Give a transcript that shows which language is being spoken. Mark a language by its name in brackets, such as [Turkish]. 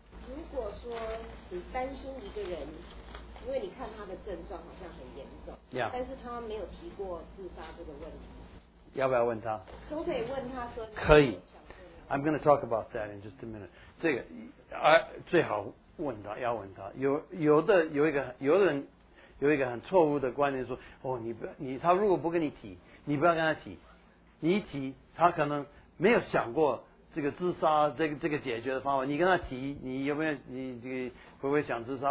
[Chinese] 如果说你担心一个人，因为你看他的症状好像很严重， yeah. 但是他没有提过自杀这个问题，要不要问他？可不可以问他说？可以。 [English] I'm going to talk about that in just a minute. [Chinese] 这个，最好问他，要问他。有的人有一个很错误的观念说，哦，你他如果不跟你提，你不要跟他提，你一提，他可能没有想过。这个自杀这个解决的方法，你跟他提，你有没有你这个会不会想自杀？